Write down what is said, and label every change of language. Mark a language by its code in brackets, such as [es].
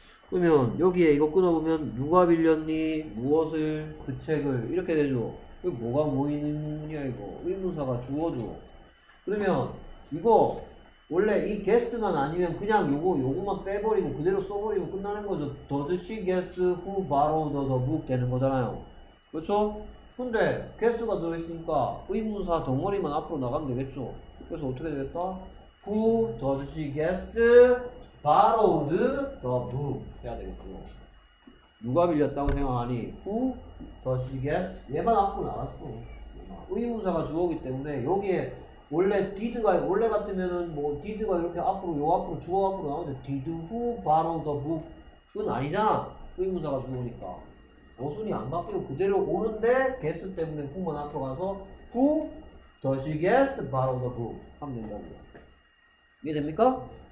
[ko] 그러면 여기에 이거 끊어보면 누가 빌렸니 무엇을 그 책을 이렇게 되죠. 이거 뭐가 모이는 거냐 이거 의문사가 주어죠. 그러면 이거 원래 이 guess만 아니면 그냥 요거만 빼버리고 그대로 써버리고 끝나는 거죠. [en] Does she guess who borrowed the book [ko] 되는 거잖아요. 그렇죠? 근데 guess가 들어있으니까 의문사 덩어리만 앞으로 나가면 되겠죠. 그래서 어떻게 되겠다? [en] Who does she guess borrowed the book [ko] 해야 되겠죠. 누가 빌렸다고 생각하니? [en] Who does she guess? [ko] 얘만 앞으로 나갔어. 의문사가 주어기 때문에 여기에 원래 did가 원래 같으면은 뭐 did가 이렇게 앞으로 요 앞으로 주어 앞으로 나오는데 [en] did who borrow the book [ko] 은 아니잖아. 의문사가 주어니까 어순이 안 바뀌고 그대로 오는데 guess 때문에 who만 앞으로 가서 [en] who does she guess borrow the book [ko] 하면 된다고요. 이해 됩니까?